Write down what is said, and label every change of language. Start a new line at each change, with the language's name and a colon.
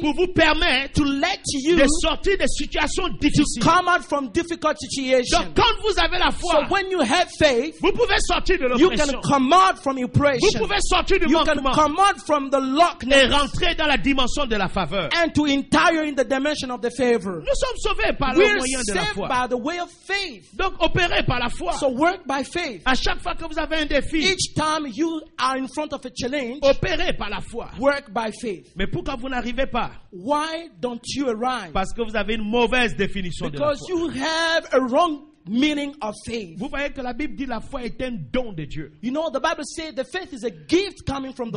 French: Pour vous permettre.
English: To let you.
French: De sortir des situations difficiles.
English: To come out from difficult situations.
French: Donc quand vous avez la foi.
English: So when you have faith.
French: Vous pouvez sortir de l'oppression.
English: You can come out from oppression.
French: Vous pouvez sortir du manquement.
English: You can come out from the lockness.
French: Et rentrer dans la dimension de la faveur.
English: And to enter in the dimension of the favor.
French: Nous sommes sauvés par
English: We're
French: le moyen de la foi.
English: By the way of faith.
French: Donc opérez par la foi.
English: So work by faith.
French: À chaque fois que vous avez un défi.
English: Each time you are in front of a challenge.
French: Opérez par la foi.
English: Work by faith.
French: Mais pourquoi vous n'arrivez pas?
English: Why don't you arrive?
French: Parce que vous avez une mauvaise définition
English: Because
French: de la foi.
English: Because you have a wrong meaning of faith.
French: Vous voyez que la Bible dit la foi est un don de Dieu.
English: You know the Bible says the faith is a gift coming from the